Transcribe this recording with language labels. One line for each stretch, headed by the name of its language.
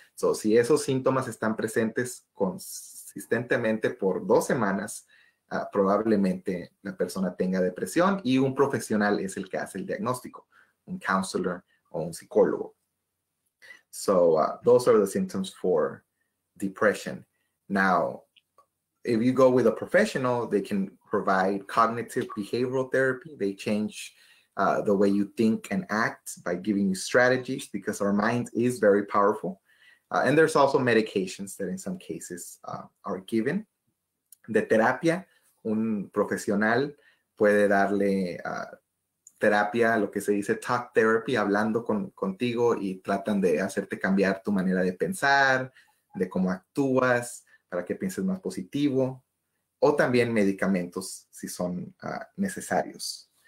Spanish: So, si esos síntomas están presentes consistentemente por 2 semanas, probablemente la persona tenga depresión, y un profesional es el que hace el diagnóstico, un counselor o un psicólogo.
English: So those are the symptoms for depression. Now, if you go with a professional, they can provide cognitive behavioral therapy. They change the way you think and act by giving you strategies, because our mind is very powerful. And there's also medications that in some cases are given.
Spanish: De terapia, un profesional puede darle terapia, lo que se dice talk therapy, hablando contigo y tratan de hacerte cambiar tu manera de pensar, de cómo actúas, para que pienses más positivo, o también medicamentos si son necesarios.